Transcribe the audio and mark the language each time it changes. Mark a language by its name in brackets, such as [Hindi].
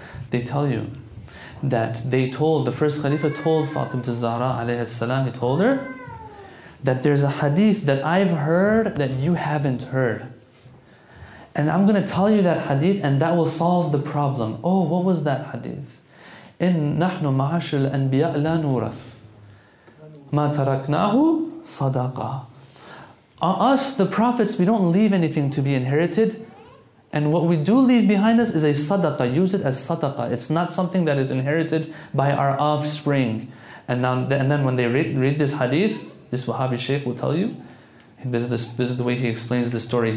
[English] They tell you that they told, the first Khalifa told Fatimah al-Zahra alayhi salam, he told her, that there's a hadith that I've heard that you haven't heard. And I'm going to tell you that hadith and that will solve the problem. Oh, what was that hadith? [Arabic] إن نحن معاشر الأنبياء لا نورث ما تركناه صدقة. [English] Us, the prophets, we don't leave anything to be inherited. And what we do leave behind us is a sadaqah. Use it as sadaqah. It's not something that is inherited by our offspring. And now, and then when they read this hadith, this Wahhabi sheikh will tell you, this is the way he explains the story.